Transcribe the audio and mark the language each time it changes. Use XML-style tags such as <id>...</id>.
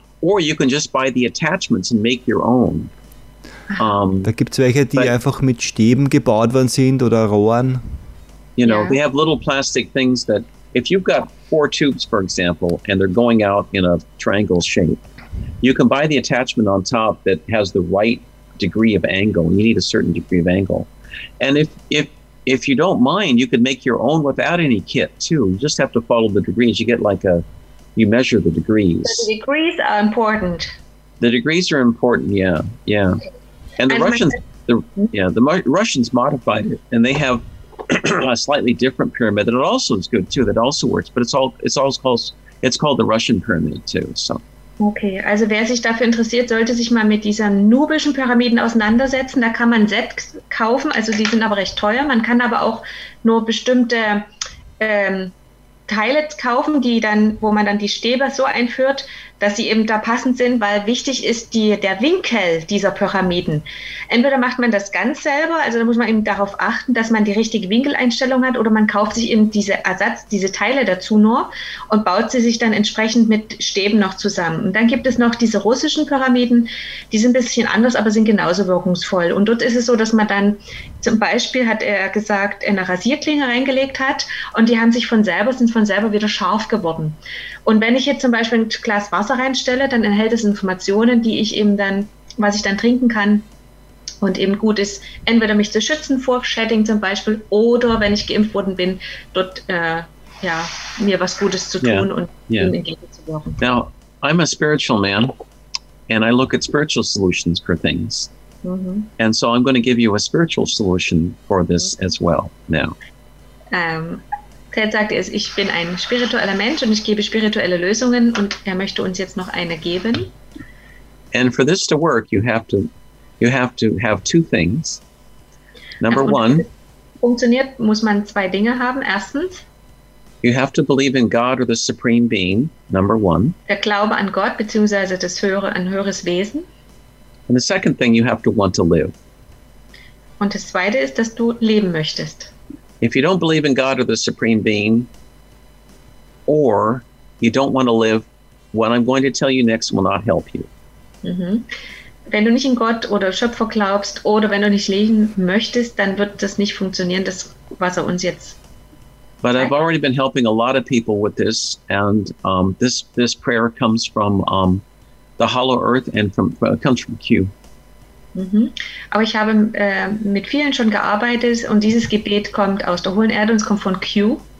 <en>Or you can just buy the attachments and make your own.</en> <de>Da gibt es welche, die einfach mit Stäben gebaut worden sind oder Rohren.</de> <en>You know, they have little plastic things that, if you've got four tubes, for example, and they're going out in a triangle shape, you can buy the attachment on top that has the right degree of angle. You need a certain degree of angle. And if you don't mind, you could make your own without any kit, too. You just have to follow the degrees. You get like a, you measure the degrees. The degrees are important. The degrees are important, yeah, yeah. And the Russians modified it, and they have a slightly different pyramid that also is good too. That also works, but it's called the Russian pyramid too. So.</en> <de>Okay, also wer sich dafür interessiert, sollte sich mal mit dieser nubischen Pyramiden auseinandersetzen. Da kann man Sets kaufen, also die sind aber recht teuer. Man kann aber auch nur bestimmte Teile kaufen, die dann, wo man dann die Stäbe so einführt, dass sie eben da passend sind, weil wichtig ist der Winkel dieser Pyramiden. Entweder macht man das ganz selber, also da muss man eben darauf achten, dass man die richtige Winkeleinstellung hat, oder man kauft sich eben diese Teile dazu nur und baut sie sich dann entsprechend mit Stäben noch zusammen. Und dann gibt es noch diese russischen Pyramiden, die sind ein bisschen anders, aber sind genauso wirkungsvoll. Und dort ist es so, dass man dann zum Beispiel, hat er gesagt, eine Rasierklinge reingelegt hat, und die haben sich sind von selber wieder scharf geworden. Und wenn ich jetzt zum Beispiel ein Glas Wasser reinstelle, dann enthält es Informationen, die ich eben dann, was ich dann trinken kann, und eben gut ist, entweder mich zu schützen vor Shedding zum Beispiel, oder wenn ich geimpft worden bin, dort mir was Gutes zu tun ihm entgegenzuwirken.</de> <en>Now, I'm a spiritual man and I look at spiritual solutions for things. Mm-hmm. And so I'm going to give you a spiritual solution for this as well now.</en> <de>Ted sagte es, ich bin ein spiritueller Mensch und ich gebe spirituelle Lösungen, und er möchte uns jetzt noch eine geben.</de> <en>And for this to work, you have to have two things. Number one.</en> <de>Funktioniert, muss man zwei Dinge haben. Erstens.</de> <en>You have to believe in God or the Supreme Being, number one.</en> <de>Der Glaube an Gott beziehungsweise an höheres Wesen.</de> <en>And the second thing, you have to want to live.</en> <de>Und das zweite ist, dass du leben möchtest.</de> <en>If you don't believe in God or the Supreme Being, or you don't want to live, what I'm going to tell you next will not help you. Mm-hmm.</en> <de>Wenn du nicht in Gott oder Schöpfer glaubst, oder wenn du nicht leben möchtest, dann wird das nicht funktionieren, das, was er uns jetzt sagt.</de> <en>But I've already been helping a lot of people with this, and this prayer comes from the Hollow Earth and comes from Q. Mhm.</en> <de>Aber ich habe mit vielen schon gearbeitet, und dieses Gebet kommt aus der hohlen Erde, und es kommt von Q.</de>